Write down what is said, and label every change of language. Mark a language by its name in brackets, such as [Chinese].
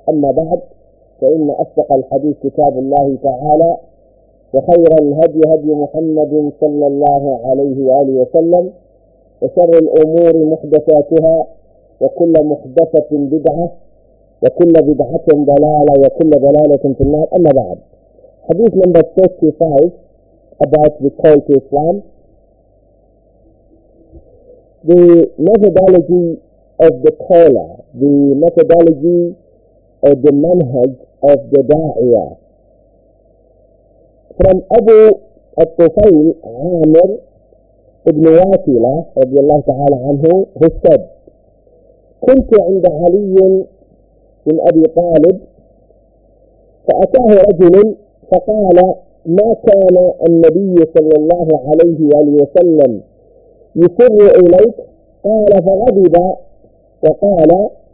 [Arabic] أما بعد، فإن أصدق الحديث كتاب الله تعالى، وخير الهدي هدي محمد صلى الله عليه وآله وسلم، وشر الأمور محدثاتها، وكل محدثة بدعة، وكل بدعة ضلالة، وكل ضلالة في النار. أما بعد، حديث نمبر 35 [English] about the call to Islam. The methodology of the caller, the methodology of the manhaj of the da'iyah. From Abu al-Tufayl Amir ibn Wasila رضي الله تعالى عنه, who said, [Arabic] كنت عند علي بن أبي طالب فأتاه رجل فقال ما كان النبي صلى الله عليه وآله وسلم يسر إليك؟ قال فغضب وقال